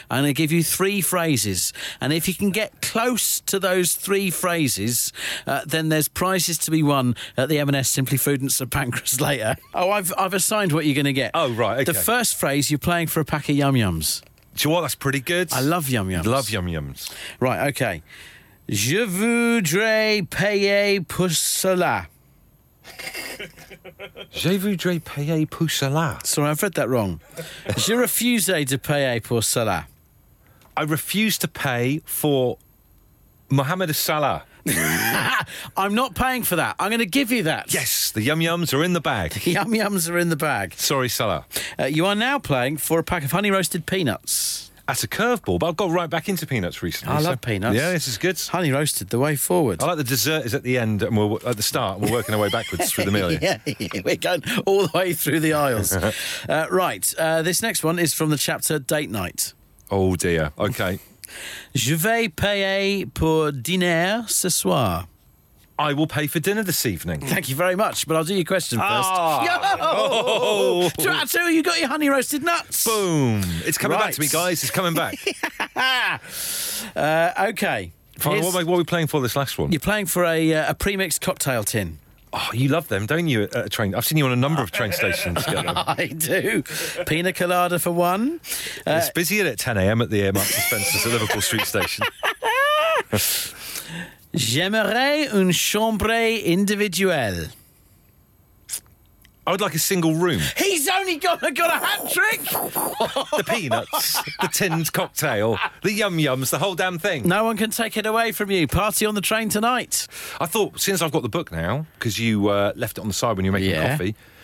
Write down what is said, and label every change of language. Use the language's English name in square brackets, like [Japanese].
[English] I'm going to give you three phrases. And if you can get close to those three phrases, then there's prizes to be won at the M&S Simply Food and St Pancras later. Oh, I've assigned what you're going to get. Oh, right, OK. The first phrase, you're playing for a pack of yum-yums. Do you know what? That's pretty good. I love yum-yums. Love yum-yums. Right, OK. [French] Je voudrais payer pour cela. Je voudrais payer pour cela. [English] Sorry, I've read that wrong. [French] Je refuse de payer pour cela. [English] I refuse to pay for Mohamed Salah. I'm not paying for that. I'm going to give you that. Yes, the yum-yums are in the bag. The yum-yums are in the bag. Sorry, seller. You are now playing for a pack of honey-roasted peanuts. That's a curveball, but I've got right back into peanuts recently. I love peanuts. Yeah, this is good. Honey roasted, the way forward. I like the dessert is at the end and we're at the start. We're working our way backwards through the meal. Yeah, we're going all the way through the aisles. Right, this next one is from the chapter Date Night. Oh, dear. Okay. [French] Je vais payer pour dîner ce soir. [English] I will pay for dinner this evening. Thank you very much, but I'll do your question first. Yo! Oh. Two, you got your honey roasted nuts. Boom. It's coming back to me, guys. It's coming back. Okay. Fine, what are we playing for this last one? You're playing for a pre-mixed cocktail tin. Oh, you love them, don't you, at a train? I've seen you on a number of train stations. I do. Pina colada for one. It's busy at 10 a.m. at the Marks & Spencer's at Liverpool Street Station. [French] J'aimerais une chambre individuelle. [English] I would like a single room. He's only got a hat trick. The peanuts, the tinned cocktail, the yum yums, the whole damn thing. No one can take it away from you. Party on the train tonight. I thought, since I've got the book now, because you left it on the side when you were making coffee.